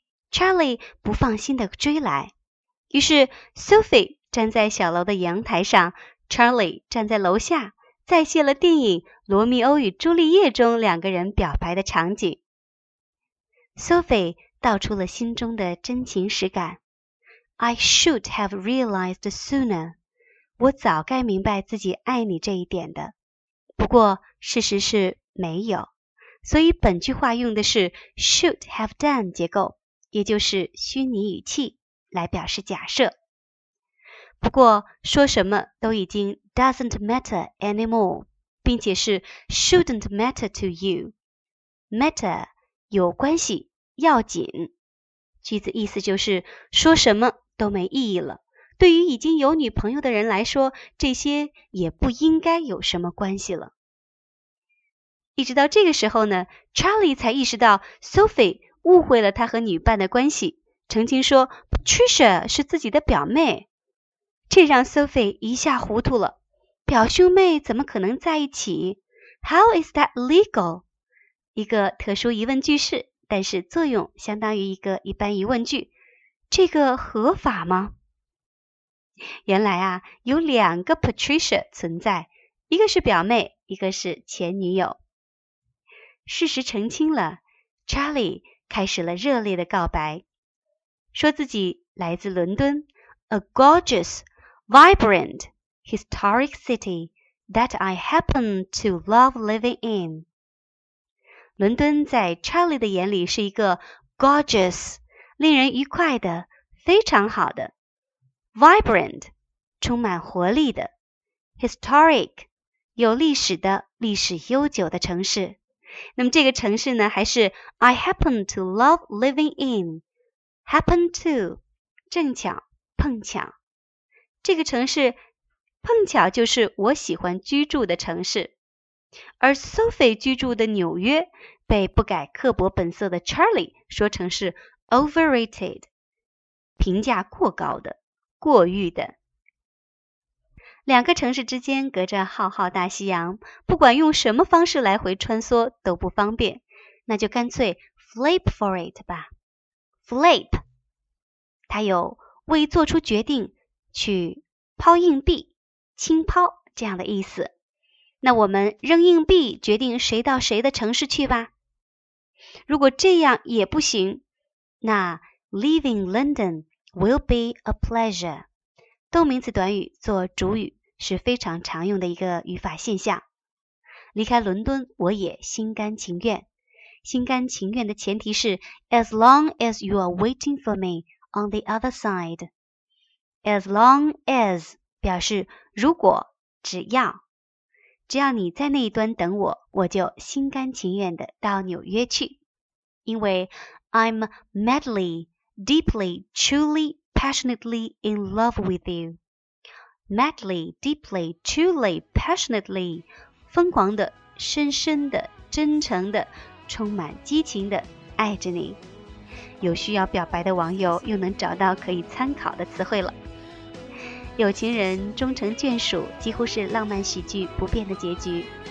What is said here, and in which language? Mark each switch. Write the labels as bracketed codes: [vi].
[zh] Charlie 不放心地追来，于是 Sophie 站在小楼的阳台上， Charlie 站在楼下。再现了电影《罗密欧与朱丽叶》中两个人表白的场景。 Sophie 道出了心中的真情实感。 [en] I should have realized sooner. [zh] 我早该明白自己爱你这一点的。不过事实是没有。所以本句话用的是 should have done 结构，也就是虚拟语气来表示假设。不过说什么都已经 [en] doesn't matter anymore, [zh] 并且是 [en] shouldn't matter to you. [zh] Matter, 有关系，要紧。句子意思就是说什么都没意义了。对于已经有女朋友的人来说，这些也不应该有什么关系了。一直到这个时候呢 ，Charlie 才意识到 Sophie 误会了他和女伴的关系，澄清说 Patricia 是自己的表妹。这让 Sophie 一下糊涂了，表兄妹怎么可能在一起 ？ [en] How is that legal？ [zh] 一个特殊疑问句式，但是作用相当于一个一般疑问句。这个合法吗？原来啊，有两个 Patricia 存在，一个是表妹，一个是前女友。事实澄清了 ，Charlie 开始了热烈的告白，说自己来自伦敦。 [en] A gorgeous, vibrant, historic city that I happen to love living in. [zh] 伦敦在 Charlie 的眼里是一个 gorgeous, 令人愉快的，非常好的。 Vibrant, 充满活力的。Historic, 有历史的，历史悠久的城市。那么这个城市呢，还是 [en] I happen to love living in. [zh] Happen to, 正巧。碰巧，这个城市碰巧就是我喜欢居住的城市，而 Sophie 居住的纽约被不改刻薄本色的 Charlie 说成是 overrated， 评价过高的，过誉的。两个城市之间隔着浩浩大西洋，不管用什么方式来回穿梭都不方便，那就干脆 [en] flip for it [zh] 吧。 flip 它有为做出决定去抛硬币，轻抛这样的意思。那我们扔硬币决定谁到谁的城市去吧。如果这样也不行，那 [en] leaving London will be a pleasure。 [zh] 动名词短语做主语是非常常用的一个语法现象。离开伦敦我也心甘情愿。心甘情愿的前提是 [en] as long as you are waiting for me,On the other side, [zh] as long as 表示如果只要，只要你在那一端等我，我就心甘情愿的到纽约去。因为 [en] I'm madly, deeply, truly, passionately in love with you. Madly, deeply, truly, passionately, [zh] 疯狂的、深深的、真诚的、充满激情的爱着你。有需要表白的网友又能找到可以参考的词汇了。有情人终成眷属，几乎是浪漫喜剧不变的结局。